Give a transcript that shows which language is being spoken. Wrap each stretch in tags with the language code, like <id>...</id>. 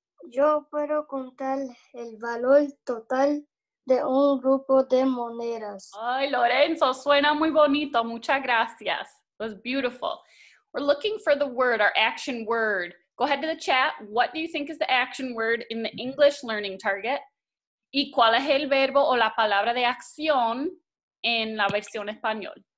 <es>Yo puedo contar el valor total de un grupo de monedas. Ay, Lorenzo, suena muy bonito. Muchas gracias.</es> <en>It was beautiful. We're looking for the word, our action word. Go ahead to the chat. What do you think is the action word in the English learning target?</en> <es>¿Y cuál es el verbo o la palabra de acción en la versión español?</es>